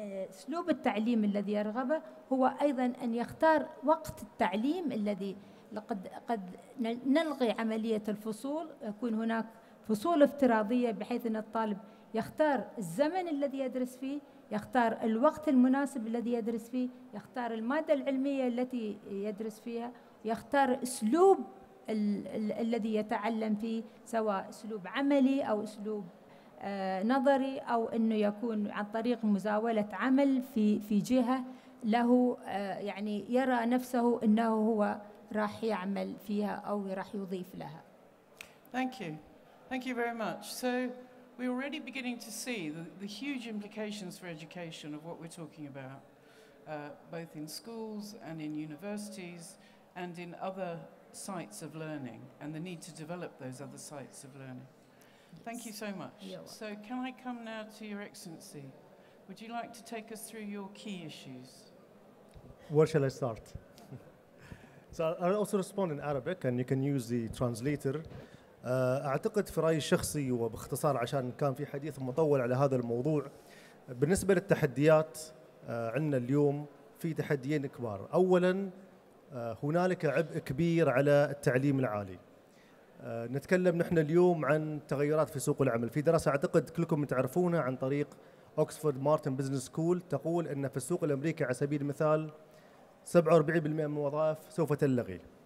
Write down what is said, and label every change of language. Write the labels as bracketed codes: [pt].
[ar] أسلوب التعليم الذي يرغبه، هو أيضاً أن يختار وقت التعليم الذي قد نلغي عملية الفصول، يكون هناك فصول افتراضية بحيث أن الطالب يختار الزمن الذي يدرس فيه، يختار الوقت المناسب الذي يدرس فيه، يختار المادة العلمية التي يدرس فيها، يختار أسلوب الذي يتعلم فيه، سواء أسلوب عملي أو أسلوب نظري، أو أنه يكون عن طريق مزاولة عمل في جهة له، يعني يرى نفسه أنه هو راح يعمل فيها أو راح يضيف لها. [en] Thank you. Thank you very much. So we're already beginning to see the huge implications for education of what we're talking about, both in schools and in universities and in other sites of learning, and the need to develop those other sites of learning. Thank you so much. So can I come now to Your Excellency? Would you like to take us through your key issues? Where shall I start? So I'll also respond in Arabic, and you can use the translator. [ar] أعتقد في رأيي الشخصي وباختصار عشان كان في حديث مطول على هذا الموضوع، بالنسبة للتحديات عندنا اليوم في تحديين كبار. أولاً هنالك عبء كبير على التعليم العالي. نتكلم نحن اليوم عن تغيرات في سوق العمل. في دراسة أعتقد كلكم تعرفونها عن طريق أوكسفورد مارتن بزنس سكول تقول أن في السوق الأمريكي على سبيل المثال 47% من الوظائف سوف تلغي.